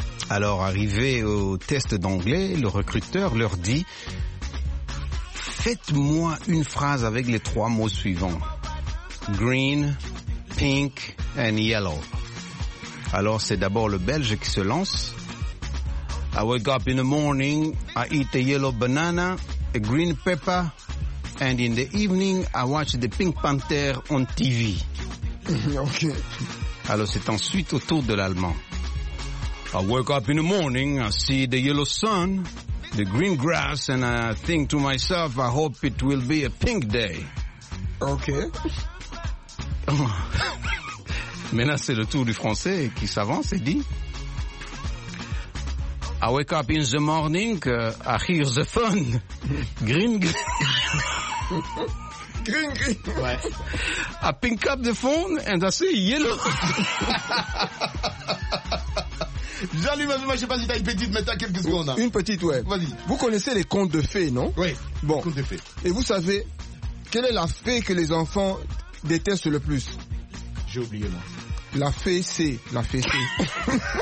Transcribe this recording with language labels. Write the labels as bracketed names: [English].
[French] Alors, arrivé au test d'anglais, le recruteur leur dit, faites-moi une phrase avec les trois mots suivants. [English] Green, pink and yellow. [French] Alors, c'est d'abord le Belge qui se lance. [English] I wake up in the morning, I eat a yellow banana, a green pepper, and in the evening, I watch the Pink Panther on TV. Ok. [French] Alors, c'est ensuite au tour de l'allemand. [English] I wake up in the morning, I see the yellow sun, the green grass, and I think to myself, I hope it will be a pink day. Ok. [French] Maintenant, c'est le tour du français qui s'avance et dit [English] I wake up in the morning, I hear the fun. Green, green. Green, green. [French] Ouais. [English] I pick up the phone and I see yellow. [French] Jean-Louis Mafema, je sais pas si t'as une petite, mais t'as quelques secondes. Hein. Une petite, ouais. Vas-y. Vous connaissez les contes de fées, non? Oui. Bon. Contes de fées. Et vous savez, quelle est la fée que les enfants détestent le plus? J'ai oublié, moi. La fée, c'est. La fée, c'est.